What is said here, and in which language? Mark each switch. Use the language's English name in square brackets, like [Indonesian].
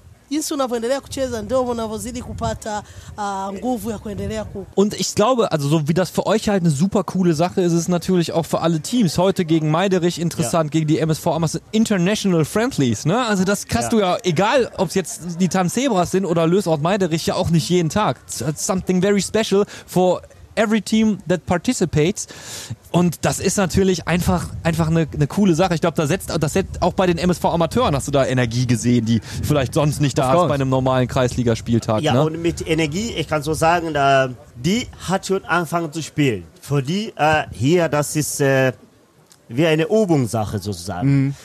[Swahili] jinsi unavyoendelea kucheza ndivyo unavyozidi kupata nguvu ya kuendelea ku. [German] Und ich glaube, also so wie das für euch halt eine super coole Sache ist, ist es natürlich auch für alle Teams heute gegen Meiderich interessant, ja. Gegen die MSV Amazon International Friendlies, ne? Also das kannst du ja egal, ob es jetzt die Tanzebras sind oder Lösort Meiderich, ja auch nicht jeden Tag. [English] It's something very special for every team that participates. [German] Und das ist natürlich einfach eine coole Sache. Ich glaube, das setzt auch bei den MSV Amateuren, hast du da Energie gesehen, die vielleicht sonst nicht da ist bei einem normalen Kreisligaspieltag. Ja, Und mit Energie, ich kann so sagen, die hat schon angefangen zu spielen. Für die hier, das ist wie eine Übungssache sozusagen. Mhm.